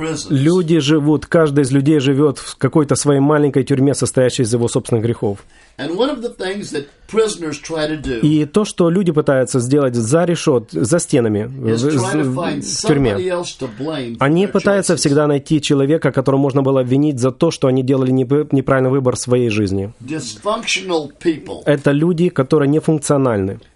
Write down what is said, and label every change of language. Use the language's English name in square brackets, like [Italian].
[Russian] Люди живут, каждый из людей живет в какой-то своей маленькой тюрьме, состоящей из его собственных грехов. [English] And one of the things that prisoners try to do. [Russian] И то, что люди пытаются сделать за решеткой, за стенами, в тюрьме. Они пытаются всегда найти человека, которого можно было обвинить за то, что они делали неправильный выбор в своей жизни. [English] Dysfunctional people. [Russian] Это люди, которые нефункциональны.